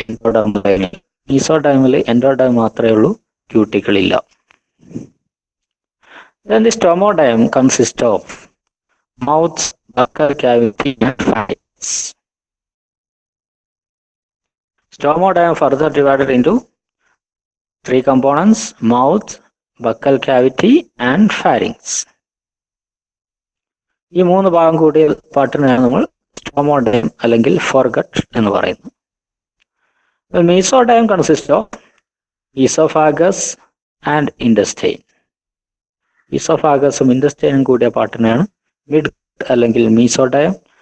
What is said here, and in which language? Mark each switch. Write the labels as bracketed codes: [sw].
[ml] Endoderm മീസോഡെമിൽ endoderm മാത്രമേ ഉള്ളൂ, ക്യൂട്ടിക്കിളില്ല. [en] Then the stomodium consists of mouth, buccal cavity and pharynx. Stomodium further divided into three components: mouth, buccal cavity and pharynx. [ml] ഈ മൂന്ന് ഭാഗം കൂടിയ പാട്ടിനെയാണ് നമ്മൾ സ്റ്റോമോഡയം അല്ലെങ്കിൽ ഫോർഗട്ട് എന്ന് പറയുന്നത്. [en] Mesodeum consist of oesophagus and intestine. [ml] ഈസോഫാഗസും ഇൻഡസ്റ്റൈനും കൂടിയ പാട്ടിനെയാണ് മിഡ് അല്ലെങ്കിൽ മീസോഡയം.